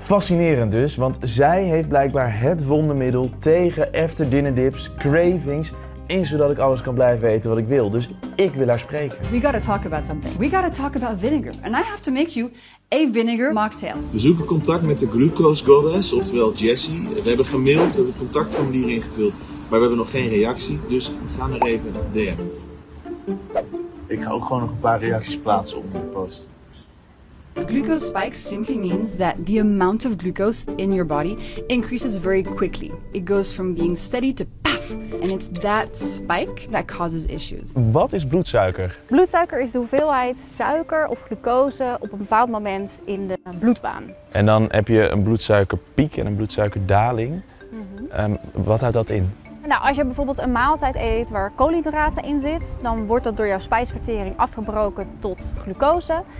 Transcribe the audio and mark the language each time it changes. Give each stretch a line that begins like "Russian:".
Dutch: Fascinerend dus, want zij heeft blijkbaar het wondermiddel tegen after-dinner-dips, cravings en zodat ik alles kan blijven eten wat ik wil. Dus ik wil haar spreken.
English: We gotta talk about something. We gotta talk about vinegar. And I have to make you a vinegar mocktail.
Dutch: We zoeken contact met de Glucose Goddess, oftewel Jessie. We hebben gemaild, we hebben contactformulier ingevuld, maar we hebben nog geen reactie. Dus we gaan er even DM. Ik ga ook gewoon nog een paar reacties plaatsen op mijn post.
English: Glucose spikes simply means that the amount of glucose in your body increases very quickly. It goes from being steady to paf, and it's that spike that causes issues.
Dutch: Wat is bloedsuiker? Bloedsuiker is de hoeveelheid suiker of glucose op een bepaald moment in de bloedbaan. En dan heb je een bloedsuikerpiek en een bloedsuikerdaling. Mm-hmm. Wat houdt dat in? Nou, als je bijvoorbeeld een maaltijd eet waar koolhydraten in zit, dan wordt dat door jouw spijsvertering afgebroken tot glucose.